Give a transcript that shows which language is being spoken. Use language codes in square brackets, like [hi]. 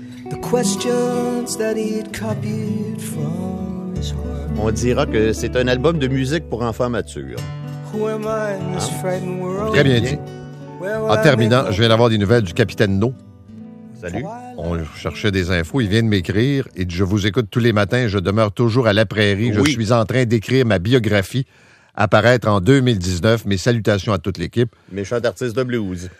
[en] The questions that he'd copied from his heart. [fr] On dira que c'est un album de musique pour enfants matures. [en] Who am I in this frightened world? [fr] Très bien dit. En terminant, je viens d'avoir des nouvelles du capitaine No. Salut. On cherchait des infos. Il vient de m'écrire et je vous écoute tous les matins. Je demeure toujours à la prairie. Oui. Je suis en train d'écrire ma biographie. Apparaître en 2019. Mes salutations à toute l'équipe. Méchant artiste de blues.